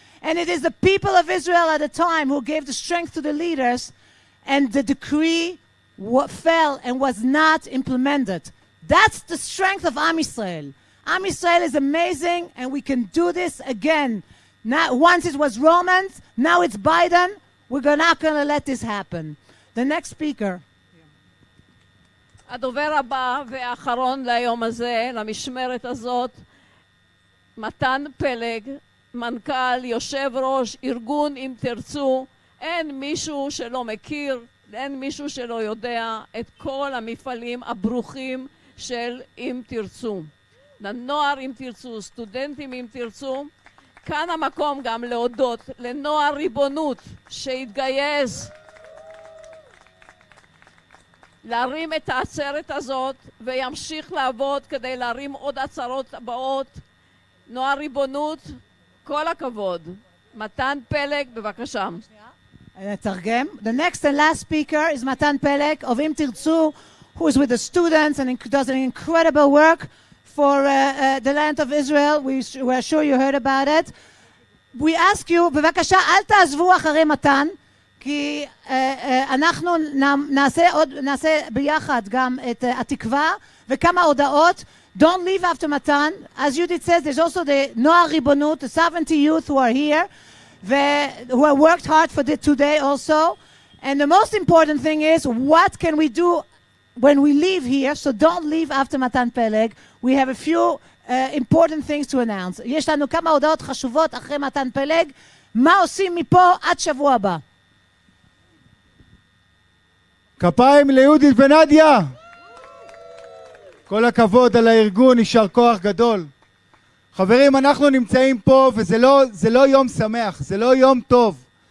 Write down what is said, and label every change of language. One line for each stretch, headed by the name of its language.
English: And it is the people of Israel at the time who gave the strength to the leaders and the decree fell and was not implemented. That's the strength of Am Yisrael. Am Yisrael is amazing and we can do this again. Now, once it was Romans, now it's Biden. We're not going to let this happen. The next speaker.
Hebrew: הדובר הבא והאחרון ליום הזה, למשמרת הזאת, מתן פלג, מנכ"ל, יושב ראש, ארגון אם תרצו, אין מישהו שלא מכיר, אין מישהו שלא יודע את כל המפעלים הברוכים של אם תרצו. לנוער אם תרצו, סטודנטים אם תרצו, כאן המקום גם להודות לנוער ריבונות שהתגייס להרים את העצרת הזאת וימשיך לעבוד כדי להרים עוד עצרות הבאות. נועה ריבונות, כל הכבוד. מתן פלג, בבקשה. נתרגם.
English: The next and last speaker is מתן פלג of אם תרצו, who is with the students and does an incredible work for the land of Israel. We are sure you heard about it. We ask you,
Hebrew: בבקשה, אל תעזבו אחרי מתן. כי אנחנו נעשה ביחד גם את התקווה וכמה הודעות.
English: Don't leave after Matan. As Judith says, there's also the Noah Ribonut, the 70 youth who are here, who have worked hard for today also. And the most important thing is, what can we do when we leave here? So don't leave after Matan Peleg. We have a few important things to announce.
Hebrew: יש לנו כמה הודעות חשובות אחרי מתן פלג. מה עושים מפה עד שבוע הבא? כפיים ליהודית ונדיה. כל הכבוד על הארגון, יישר כוח גדול. חברים, אנחנו נמצאים פה, וזה לא יום שמח, זה לא יום טוב.